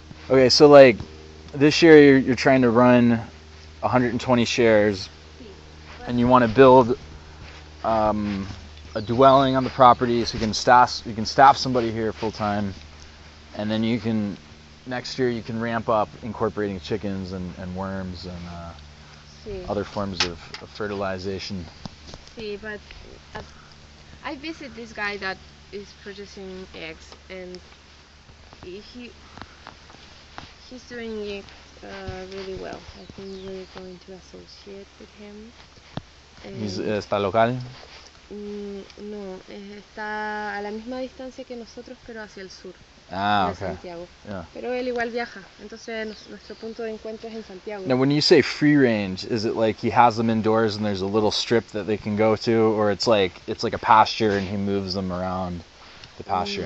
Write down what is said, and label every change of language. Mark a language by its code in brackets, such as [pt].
[en] Okay, so, like, this year you're trying to run 120 shares, and you want to build a dwelling on the property so you can staff somebody here full-time, and then you can, next year you can ramp up incorporating chickens and worms and other forms of fertilization. But I visit this guy that is producing eggs, and he's doing it really well. I think we're going to associate with him. [es] ¿Está local? No, está a la misma distancia que nosotros, pero hacia el sur. Ah, en okay. Santiago. Yeah. Pero él igual viaja, entonces nuestro punto de encuentro es en Santiago. [en] Now, when you say free range, is it like he has them indoors and there's a little strip that they can go to, or it's like a pasture and he moves them around the pasture?